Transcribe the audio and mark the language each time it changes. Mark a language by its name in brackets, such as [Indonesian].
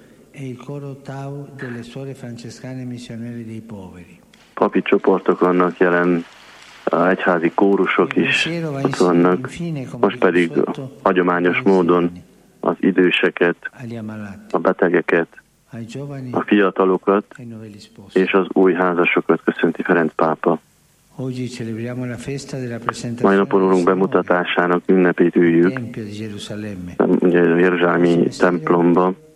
[Italian] E il coro Tau delle suore francescane missionarie dei poveri. [Hungarian] Papi csoportok vannak jelen, egyházi kórusok is vannak, most pedig hagyományos módon az időseket, a betegeket, a fiatalokat és az új házasokat köszönti Ferenc pápa. [Italian] Oggi celebriamo la festa della presentazione. [Hungarian] Mai napon urunk bemutatásának ünnepét üljük. Ugye a Jeruzsálemi templomba.